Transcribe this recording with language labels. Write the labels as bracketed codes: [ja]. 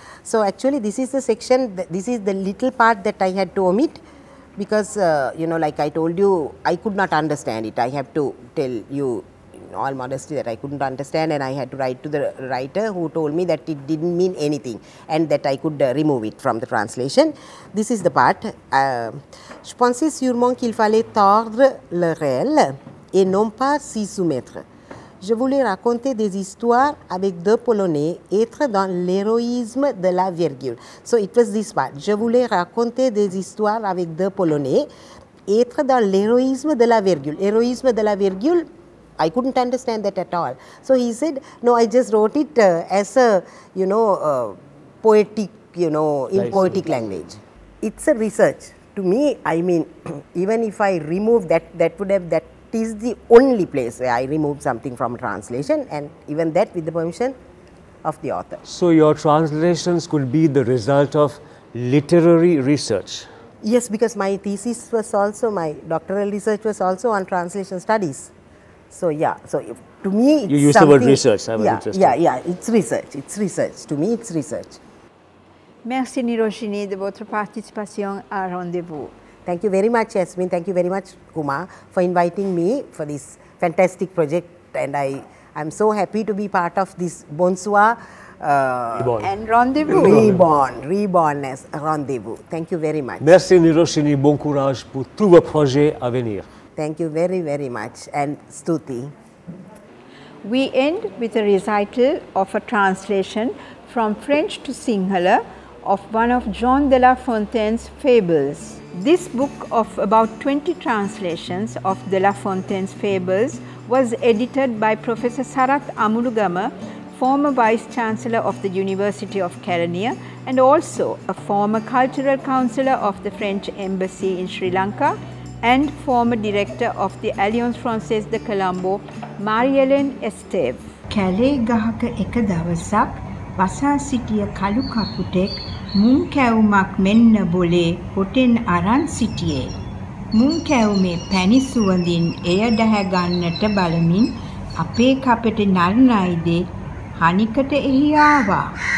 [en] So actually, this is the section, this is the little part that I had to omit. Because, you know, like I told you, I could not understand it. I have to tell you in all modesty that I couldn't understand and I had to write to the writer who told me that it didn't mean anything and that I could remove it from the translation. This is the part. [fr] Je pensais sûrement qu'il fallait tordre le réel et non pas s'y soumettre. Je voulais raconter des histoires avec deux Polonais, être dans l'héroïsme de la virgule. [en] So it was this part. [fr] Je voulais raconter des histoires avec deux Polonais, être dans l'héroïsme de la virgule. Héroïsme de la virgule, [en] I couldn't understand that at all. So he said, no, I just wrote it as a, you know, poetic, you know, in nice poetic language. It's a research. To me, I mean, even if I remove that, that would have that. It is the only place where I remove something from translation and even that with the permission of the author. So your translations could be the result of literary research? Yes, because my thesis was also, my doctoral research was also on translation studies. So yeah, so if, to me it's you used the word research, I'm interested. Yeah, yeah, it's research, it's research. To me it's research. [fr] Merci Niroshini de votre participation à Rendez-vous. [en] Thank you very much, Yasmin. Thank you very much, Kumar, for inviting me for this fantastic project. And I'm so happy to be part of this Bonsoir Reborn. And Rendez-vous. Reborn as Rendez-vous. Thank you very much. [fr] Merci, Niroshini. Bon courage pour tous vos projets à venir. [en] Thank you very, very much. And Stuti. We end with a recital of a translation from French to Sinhala of one of John de la Fontaine's fables. This book of about 20 translations of De La Fontaine's fables was edited by Professor Sarath Amulugama, former Vice-Chancellor of the University of Kerania and also a former Cultural Councillor of the French Embassy in Sri Lanka and former Director of the Alliance Française de Colombo, Marie-Hélène Esteve. [si] Kale gahaka eka davasak vasa sitiya kalu kaputek මුං කැවුමක් මෙන්න බොලේ හොටෙන් අරන් සිටියේ. මුං කැවුමේ පැණි සුවඳින් එය දැහැගන්නට බලමින් අපේ කපෙට නරනයිදේ හනිකට එහි ආවා.